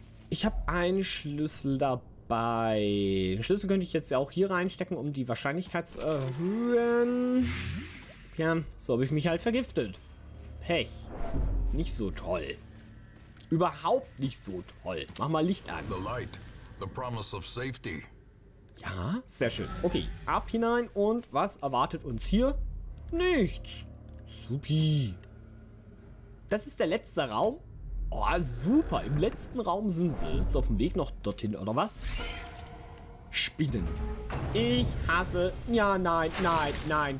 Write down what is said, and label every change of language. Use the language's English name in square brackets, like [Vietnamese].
[German] Ich habe einen Schlüssel dabei. Den Schlüssel könnte ich jetzt ja auch hier reinstecken, um die Wahrscheinlichkeit zu erhöhen. Tja, so habe ich mich halt vergiftet. Pech. Nicht so toll. Überhaupt nicht so toll. Mach mal Licht an. [English] The light, the promise of safety. [German] Ja, sehr schön. Okay, ab hinein und was erwartet uns hier? Nichts. Supi. Das ist der letzte Raum? Oh, super. Im letzten Raum sind sie jetzt auf dem Weg noch dorthin, oder was? Spinnen. Ich hasse... Ja, nein, nein, nein.